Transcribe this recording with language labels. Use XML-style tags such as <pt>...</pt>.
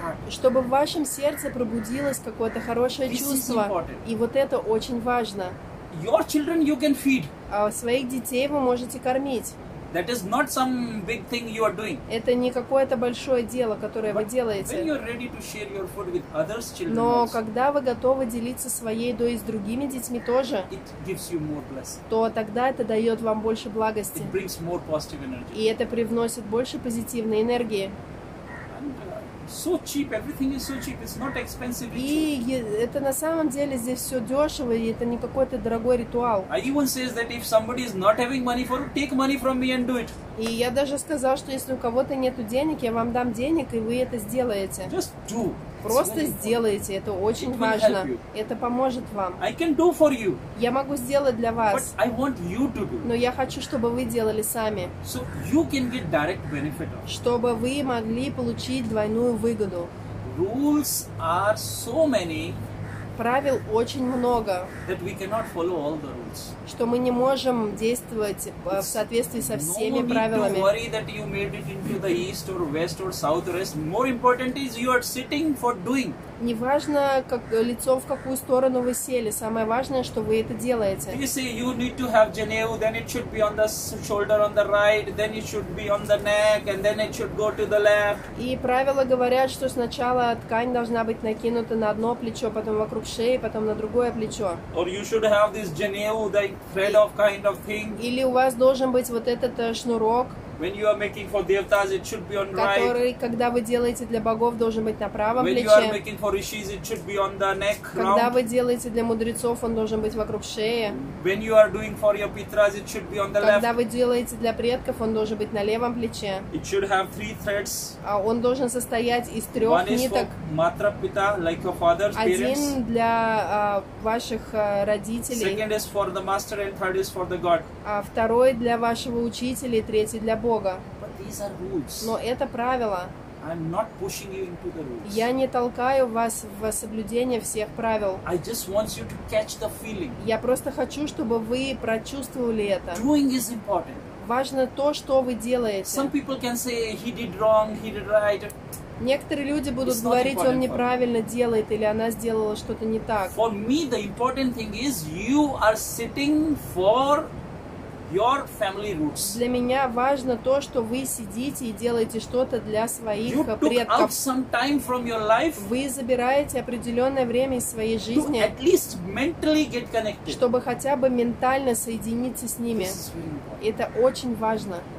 <ru>Чтобы в вашем сердце пробудилось какое-то хорошее чувство. И вот это очень важно.</ru> <en>Your children you can feed.</en> <ru>Своих детей вы можете кормить.</ru> <en>That is not some big thing you are doing.</en> <ru>Это не какое-то большое дело, которое</ru> <en>but</en> <ru>вы делаете.</ru> <en>When you are ready to share your food with others, children.</en> <ru>Но</ru> <en>also,</en> <ru>когда вы готовы делиться своей едой с другими детьми тоже,</ru> <en>it gives you more blessing.</en> <ru>То тогда это дает вам больше благости.</ru> <en>It brings more positive energy.</en> <ru>И это привносит больше позитивной энергии.</ru> <en>So cheap, everything is so cheap. It's not expensive.</en> <ru>И это на самом деле здесь все дешево, и это не какой-то дорогой ритуал.</ru> <en>I even says that if somebody is not having money for, take money from me and do it.</en> <ru>И я даже сказал, что если у кого-то нету денег, я вам дам денег, и вы это сделаете.</ru> <en>Just do.</en> <ru>Просто сделайте, это очень</ru> <en>it</en> <ru>важно. Это поможет вам.</ru> <en>I can do for you.</en> <ru>Я могу сделать для вас.</ru> <en>But I want you to do.</en> <ru>Но я хочу, чтобы вы делали сами.</ru> <en>So you can get direct benefit of.</en> <ru>Чтобы вы могли получить двойную выгоду.</ru> <en>Rules are so many.</en> <ru>Правил очень много.</ru> <en>That we cannot follow all the rules.</en> <ru>Что мы не можем действовать</ru> <en>it's</en> <ru>в соответствии со всеми</ru> <en>no</en> <ru>правилами.</ru> <en>No need to worry that you made it into the east or west or south or west. More important is you are sitting for doing.</en> <ru>Не важно, как лицо в какую сторону вы сели. Самое важное, что вы это делаете.</ru> <en>You see, you need to have janeu, then it should be on the shoulder on the right, then it should be on the neck, and then it should go to the left.</en> <ru>И правила говорят, что сначала ткань должна быть накинута на одно плечо, потом вокруг шеи, потом на другое плечо.</ru> <en>Or you should have this janeu, like thread of kind of thing.</en> <ru>Или у вас должен быть вот этот шнурок.</ru> <en>When you are making for devtas, it should be on right.</en> <ru>Который, когда вы делаете для богов, должен быть на правом</ru> <en>When</en> <ru>плече.</ru> <en>When you are making for rishis, it should be on the neck.</en> <ru>Когда</ru> <en>round.</en> <ru>Вы делаете для мудрецов, он должен быть вокруг шеи.</ru> <en>When you are doing for your pitras, it should be on the</en> <ru>когда</ru> <en>left.</en> <ru>Когда вы делаете для предков, он должен быть на левом плече.</ru> <en>It should have three threads.</en> <ru>А он должен состоять из трех</ru> <en>One</en> <ru>ниток.</ru> <en>One is for matra pita, like your father's</en> <ru>Один</ru> <en>parents.</en> <ru>Один для ваших родителей.</ru> <en>Second is for the master and third is for the god.</en> <ru>А второй для вашего учителя, и третий для Бога.</ru> <en>But these are rules.</en> <ru>Но это правила.</ru> <en>I'm not pushing you into the rules.</en> <ru>Я не толкаю вас в соблюдение всех правил.</ru> <en>I just want you to catch the feeling.</en> <ru>Я просто хочу, чтобы вы прочувствовали это.</ru> <en>Doing is important.</en> <ru>Важно то, что вы делаете.</ru> <en>Some people can say he did wrong, he did right.</en> <ru>Некоторые люди будут говорить, он неправильно делает или она сделала что-то не так.</ru> <en>For me, the important thing is you are sitting for Your family roots.</en> <ru>Для меня важно то, что вы сидите и делаете что-то для своих</ru> <en>you</en> <ru>предков.</ru> <en>Took out some time from your life</en> <ru>вы забираете определенное время из своей жизни,</ru> <en>at least mentally get connected.</en> <ru>Чтобы хотя бы ментально соединиться с ними. Это очень важно.</ru>